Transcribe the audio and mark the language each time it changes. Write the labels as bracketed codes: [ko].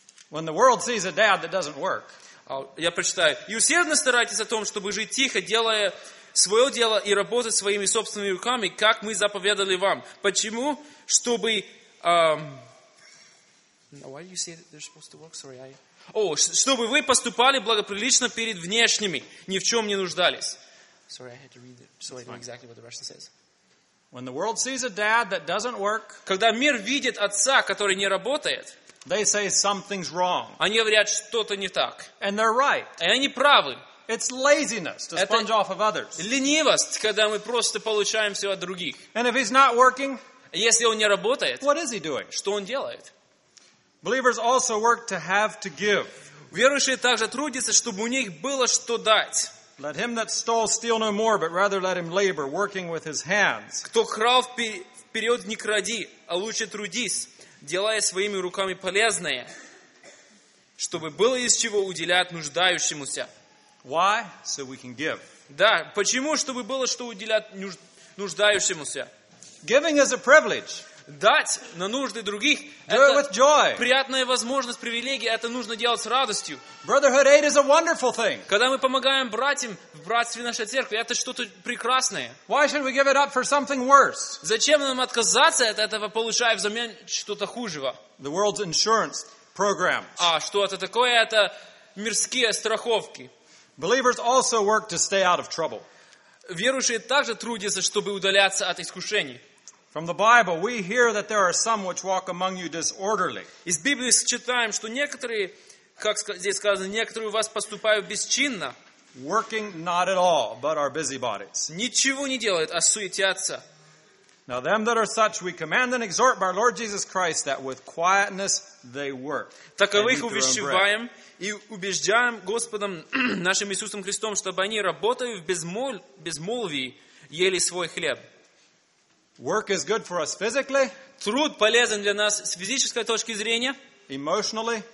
[en] When the world sees a dad that doesn't work. [ru] Я прочитаю. И усердно старайтесь о том, чтобы жить тихо, делая свое дело и работать своими собственными руками, как мы заповедали вам. Почему? Чтобы. [en] Why do you say that they're supposed to work? [ru] Чтобы вы поступали благоприлично перед внешними, ни в чем не нуждались. [en] Sorry, I had to read it so I know exactly what the Russian says. When the world sees a dad that doesn't work, [ru] когда мир видит отца, который не работает, [en] they say something's wrong. [ru] Они говорят, что-то не так. [en] And they're right. [ru] И они правы. [en] It's laziness to sponge off of others. [ru] Ленивость, когда мы просто получаем все от других. [en] And if he's not working, [ru] если он не работает, [en] what is he doing? [ru] Что он делает? [en] Believers also work to have to give. [ru] Верующие также трудятся, чтобы у них было что дать. [en] Let him that stole steal no more, but rather let him labor, working with his hands. [ru] Кто крал вперед, не кради, а лучше трудись, делая своими руками полезное, чтобы было из чего уделять нуждающемуся. [en] Why? So we can give. [ru] Да, почему? Чтобы было что уделять нуждающемуся. [en] Giving is a privilege. [ru] Дать на нужды других – это [en] with joy. [ru] Приятная возможность, привилегия, это нужно делать с радостью. [en] Brotherhood aid is a wonderful thing. [ru] Когда мы помогаем братьям в братстве нашей церкви, это что-то прекрасное. [en] Why should we give it up for something worse? [ru] Зачем нам отказаться от этого, получая взамен что-то хужего? [en] The world's insurance program. [ru] А что это такое? Это мирские страховки. [en] Believers also work to stay out of trouble. [ru] Верующие также трудятся, чтобы удаляться от искушений. [en] From the Bible, we hear that there are some which walk among you disorderly. [ru] Из Библии читаем, что некоторые, как здесь сказано, некоторые у вас поступают бесчинно. [en] Working not at all, but are busybodies. [ru] Ничего не делают, а суетятся. [en] Now them that are such, we command and exhort by our Lord Jesus Christ that with quietness they work. [ru] Таковых увещеваем и убеждаем Господом нашим Иисусом Христом, чтобы они работали в безмолвии, ели свой хлеб. [en] Work is good for us physically. [ru] Труд полезен для нас с физической точки зрения. [en] Emotionally.